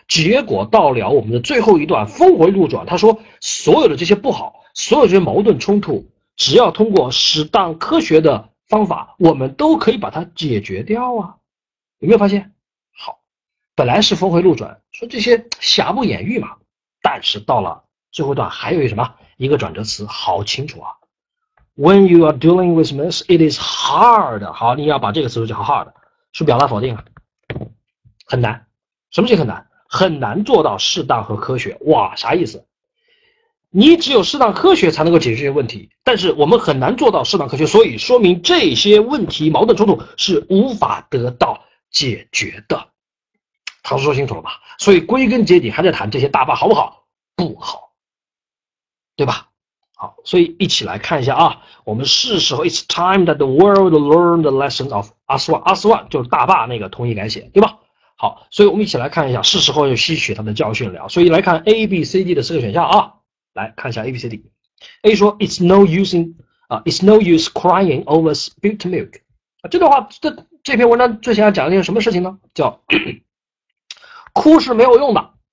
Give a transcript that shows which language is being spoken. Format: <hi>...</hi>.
<zh>结果到了我们的最后一段峰回路转，他说所有的这些不好，所有这些矛盾冲突，只要通过适当科学的方法，我们都可以把它解决掉啊！有没有发现？本来是峰回路转，说这些瑕不掩瑜嘛。但是到了最后一段，还有一个什么一个转折词，好清楚啊。</zh> <en>When you are dealing with this, it is hard。</en> <zh>好，你要把这个词组叫 hard，是表达否定啊，很难。什么叫很难？很难做到适当和科学。哇，啥意思？你只有适当科学才能够解决这些问题，但是我们很难做到适当科学，所以说明这些问题矛盾冲突是无法得到解决的。唐叔说清楚了吧？所以归根结底还在谈这些大坝好不好？不好，对吧？好，所以一起来看一下啊。我们是时候，</zh> <en>It's time that the world learned the lesson of Aswan。</en> <zh>Aswan 就是大坝那个同义改写，对吧？好，所以我们一起来看一下，是时候要吸取它的教训了。所以来看 A、B、C、D 的四个选项啊，来看一下 A、B、C、D。 A 说</zh> <en>"It's no using 啊，It's no use crying over spilt milk 啊。"</en> <zh>这段话，这篇文章最想要讲的是什么事情呢？叫 哭是没有用的。</zh>